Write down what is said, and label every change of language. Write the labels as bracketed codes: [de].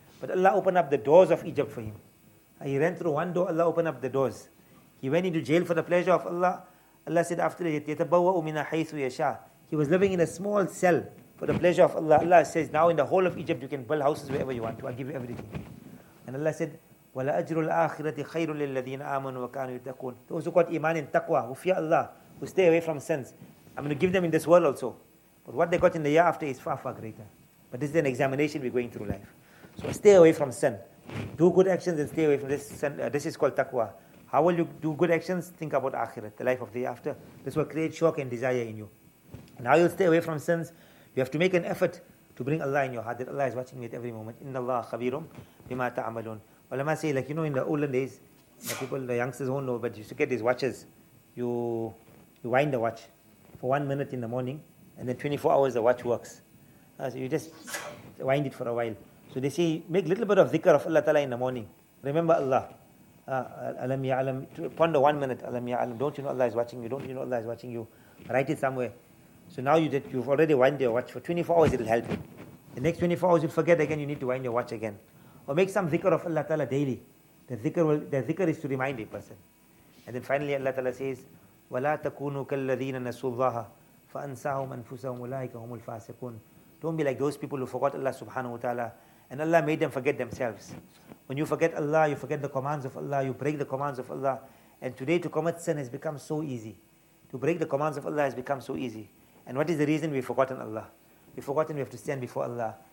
[en] But Allah opened up the doors of Egypt for him. He ran through one door, Allah opened up the doors. He went into jail for the pleasure of Allah. Allah said after that, [ar] يَتَبَوَّأُ مِنَ حَيْثُ يَشَاءُ. [en] He was living in a small cell for the pleasure of Allah. Allah says, now in the whole of Egypt, you can build houses wherever you want to. I'll give you everything. [ar] And Allah said, وَلَأَجْرُ الْآخِرَةِ خَيْرٌ لِلَّذِينَ آمَنُوا وَكَانُوا يُتَّقُونَ. [en] Those who got iman and taqwa, who fear Allah, who stay away from sins, I'm going to give them in this world also. But what they got in the year after is far, far greater. But this is an examination we're going through life. So stay away from sin. Do good actions and stay away from this sin. This is called taqwa. How will you do good actions? Think about akhirat, the life of the year after. This will create shock and desire in you. And how you'll stay away from sins? You have to make an effort to bring Allah in your heart, that Allah is watching me at every moment. [ar] إِنَّ اللَّهَ خَبِيرٌ بِمَا تَعْمَلُونَ. [en] Ulama say, like, you know, in the olden days, the people, the youngsters won't know, but you used to get these watches. You wind the watch for 1 minute in the morning, and then 24 hours the watch works. So you just wind it for a while. So they say, make a little bit of dhikr of Allah Ta'ala in the morning. Remember Allah. Alam ya'alam. Ponder 1 minute. Alam ya'alam. Don't you know Allah is watching you? Don't you know Allah is watching you? Write it somewhere. So now you've already wind your watch. For 24 hours it'll help you. The next 24 hours you'll forget again, you need to wind your watch again. Or make some dhikr of Allah Ta'ala daily. The dhikr is to remind a person. [ar] And then finally Allah Ta'ala says, وَلَا تَكُونُوا كَالَّذِينَ نَسُوا اللَّهَ فَأَنْسَاهُمْ أَنفُسَهُمْ أُولَٰئِكَ هُمُ الْفَاسِقُونَ. [en] Don't be like those people who forgot Allah subhanahu wa ta'ala, and Allah made them forget themselves. When you forget Allah, you forget the commands of Allah, you break the commands of Allah. And today to commit sin has become so easy. To break the commands of Allah has become so easy. And what is the reason we've forgotten Allah? We've forgotten we have to stand before Allah.